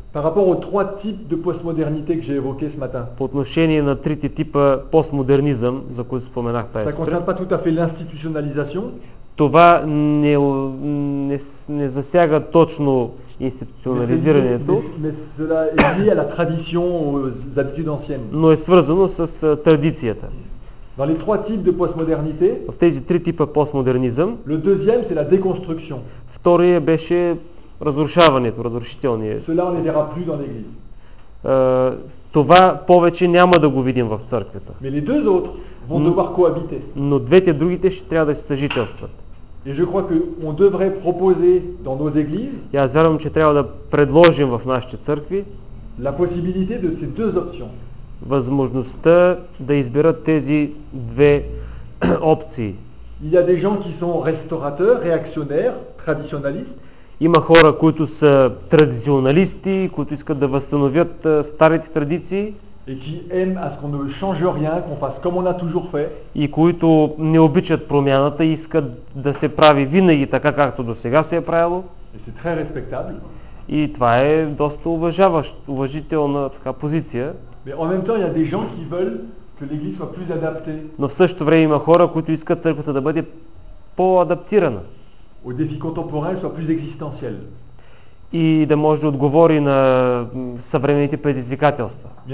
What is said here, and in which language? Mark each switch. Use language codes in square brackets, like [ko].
[fr] Par rapport aux trois types de postmodernité que j'ai évoqué ce matin. [bg] По отношение на трите типа постмодернизъм, за които споменах тази сутрин. [fr] Ça concerne pas tout à fait l'institutionnalisation. [bg] Това не засяга точно институционализирането. [fr] Mais cela est lié à la tradition, aux habitudes anciennes. [bg] Но е свързано с традицията. [fr] Dans les trois types de postmodernité. [bg] В тези три типа постмодернизъм. [fr] Le deuxième, c'est la déconstruction. [bg] Вторият беше разрушаването, разрушителният. [fr] Cela on ne verra plus dans l'église. [bg] Това повече няма да го видим в църквата. [fr] Mais les deux autres vont devoir cohabiter. [bg] Но двете другите ще трябва да се съжителстват. [fr] Et je crois que on devrait proposer dans nos églises. [bg] И аз вярвам, че трябва да предложим в нашите църкви [fr] la possibilité de ces deux options. [bg] Възможността да изберат тези две опции. [fr] Il y a des gens qui sont restaurateurs, réactionnaires, traditionalistes. [bg] Има хора, които са традиционалисти, които искат да възстановят старите традиции. [fr] et qui aime à ce qu'on ne change rien, qu'on fasse comme on a toujours fait. [bg] И които не обичат промяната, искат да се прави винаги така както досега се е правило. [fr] Et c'est très respectable. [bg] И това е доста уважителна така позиция. [fr] Mais en même temps, il y a des gens qui veulent que l'église soit plus adaptée. [bg] Но в същото време има хора, които искат църквата да бъде по-адаптирана. [fr] Aux défis contemporains soit plus existentiel. [bg] И да може да отговори на съвременните предизвикателства.